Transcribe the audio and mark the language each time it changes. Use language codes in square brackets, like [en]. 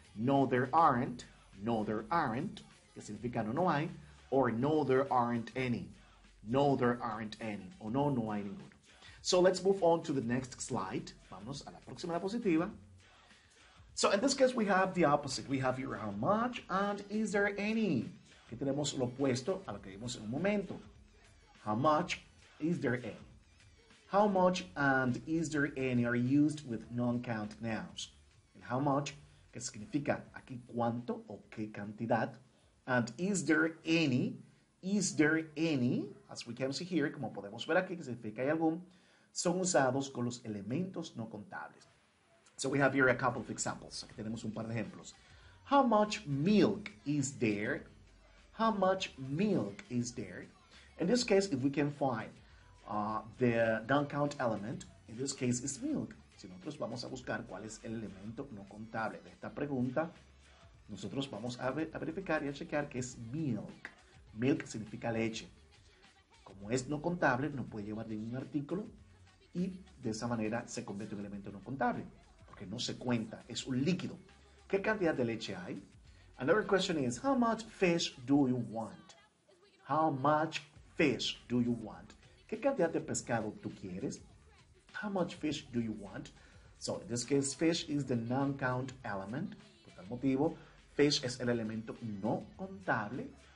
[en] No, there aren't. No, there aren't. [es] Que significa no, no hay. [en] Or no, there aren't any. No, there aren't any. [es] O no, no hay ninguno. [en] So let's move on to the next slide. [es] Vamos a la próxima diapositiva. [en] So in this case, we have the opposite. We have here how much and is there any. [es] Aquí tenemos lo opuesto a lo que vimos en un momento. [en] How much, is there any. How much and is there any are used with non-count nouns. And how much, [es] que significa aquí cuánto o qué cantidad. [en] And is there any, as we can see here, [es] como podemos ver aquí, que significa hay algún, son usados con los elementos no contables. [en] So we have here a couple of examples. [es] Aquí tenemos un par de ejemplos. [en] How much milk is there? How much milk is there? In this case, if we can find the non-count element, in this case, is milk. [es] Si nosotros vamos a buscar cuál es el elemento no contable de esta pregunta, nosotros vamos a verificar y a chequear que es milk. Milk significa leche. Como es no contable, no puede llevar ningún artículo y de esa manera se convierte en un elemento no contable, porque no se cuenta, es un líquido. ¿Qué cantidad de leche hay? [en] Another question is, how much fish do you want? How much fish do you want? [es] ¿Qué cantidad de pescado tú quieres? [en] How much fish do you want? So, in this case, fish is the non-count element. [es] Por tal motivo, fish es el elemento no contable.